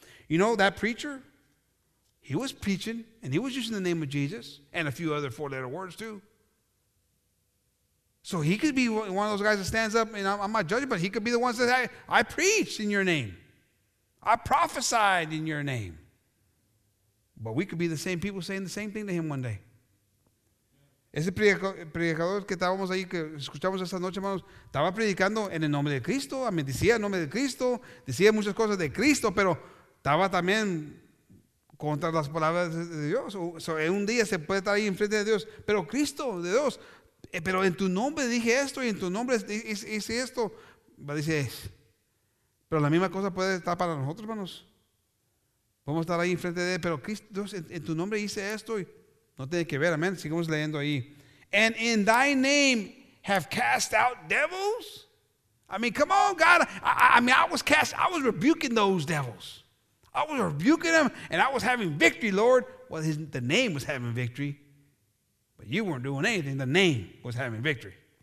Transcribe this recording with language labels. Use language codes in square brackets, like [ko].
[en] You know, that preacher, he was preaching, and he was using the name of Jesus and a few other four-letter words too. So he could be one of those guys that stands up, and I'm not judging, but he could be the one that says, I preached in your name. I prophesied in your name. But we could be the same people saying the same thing to him one day. [es] Ese predicador que estábamos ahí, que escuchamos esta noche, hermanos, estaba predicando en el nombre de Cristo, me decía el nombre de Cristo, decía muchas cosas de Cristo, pero estaba también contra las palabras de Dios. So, en un día se puede estar ahí enfrente de Dios, pero Cristo, de Dios, pero en tu nombre dije esto y en tu nombre hice esto. Dice, pero la misma cosa puede estar para nosotros, hermanos. Podemos estar ahí enfrente de Él, pero Cristo, Dios, en tu nombre hice esto y no tiene que ver, amén. Sigamos leyendo ahí. [en] And in thy name have cast out devils. I mean, come on, God. I was rebuking those devils. I was rebuking them, and I was having victory, Lord. Well, the name was having victory, but you weren't doing anything. The name was having victory.